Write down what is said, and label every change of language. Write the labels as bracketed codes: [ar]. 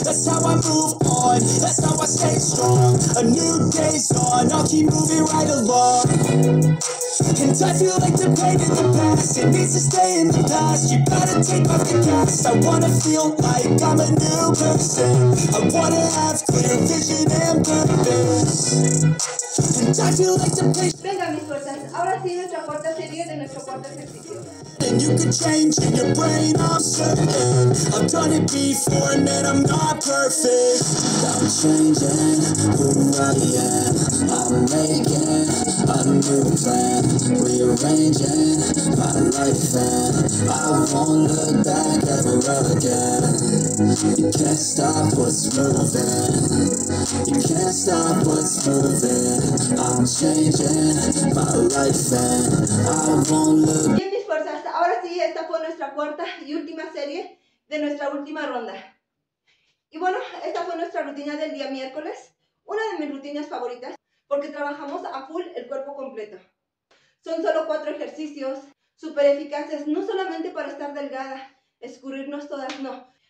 [en] That's how I move on, that's how I stay strong. A new day's on, I'll keep moving right along. And I feel like the pain in the past, it needs to stay in the past. You better take off the cast. I wanna feel like I'm a new person. I wanna have clear vision and purpose. [es] Venga, mis fuerzas, ahora sí nuestra cuarta serie de nuestro cuarto ejercicio. [en] And you can change in your brain, I'm certain. I've done it before, man, I'm not perfect. I'm changing who I am. I'm making a new plan. Rearranging my life, and I won't look back ever again. You can't stop what's moving. You can't stop what's moving. I'm changing my life, and I won't look back. [es] Ahora sí, esta fue nuestra cuarta y última serie de nuestra última ronda. Y bueno, esta fue nuestra rutina del día miércoles, una de mis rutinas favoritas, porque trabajamos a full el cuerpo completo. Son solo 4 ejercicios, súper eficaces, no solamente para estar delgada, escurrirnos todas, no.